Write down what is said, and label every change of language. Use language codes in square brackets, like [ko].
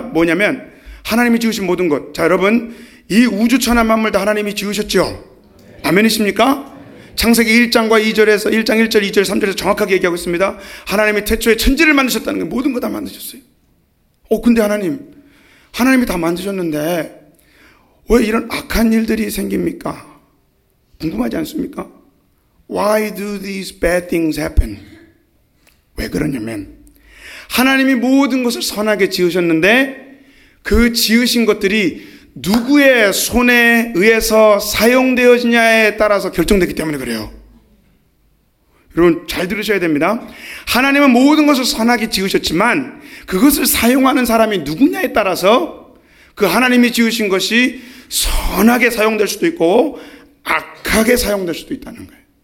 [ko] 뭐냐면 하나님이 지으신 모든 것. 자, 여러분 이 우주 천하 만물 다 하나님이 지으셨죠. 아멘이십니까? 창세기 1장과 2절에서 1장 1절 2절 3절에서 정확하게 얘기하고 있습니다. 하나님이 태초에 천지를 만드셨다는 게 모든 거 다 만드셨어요. 근데 하나님이 다 만드셨는데 왜 이런 악한 일들이 생깁니까? 궁금하지 않습니까? [en] Why do these bad things happen? [ko] 왜 그러냐면 하나님이 모든 것을 선하게 지으셨는데 그 지으신 것들이 누구의 손에 의해서 사용되어지냐에 따라서 결정되기 때문에 그래요. 여러분 잘 들으셔야 됩니다. 하나님은 모든 것을 선하게 지으셨지만 그것을 사용하는 사람이 누구냐에 따라서 그 하나님이 지으신 것이 선하게 사용될 수도 있고 악하게 사용될 수도 있다는 거예요.